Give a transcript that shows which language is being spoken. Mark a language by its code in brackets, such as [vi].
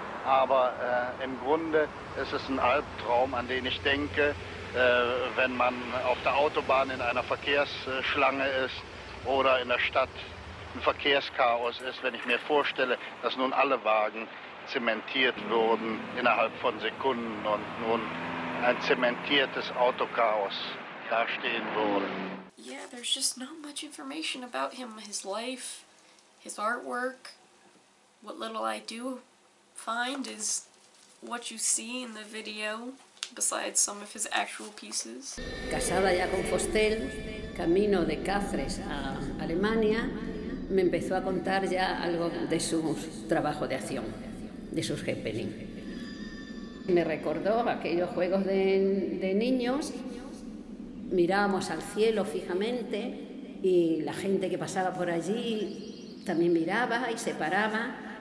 [de] Aber im Grunde ist es ein Albtraum, an den ich denke, wenn man auf der Autobahn in einer Verkehrsschlange ist oder in der Stadt ein Verkehrschaos ist, wenn ich mir vorstelle, dass nun alle Wagen zementiert würden innerhalb von Sekunden und nun ein zementiertes Autochaos dastehen würde. [en] Yeah, there's just not much information about him, his life, his artwork, what little I do find is what you see in the video, besides some of his actual pieces. [es] Casada ya con Vostell, camino de Cáceres a Alemania, me empezó a contar ya algo de su trabajo de acción, de sus happening. Me recordó aquellos juegos de niños, mirábamos al cielo fijamente y la gente que pasaba por allí también miraba y se paraba.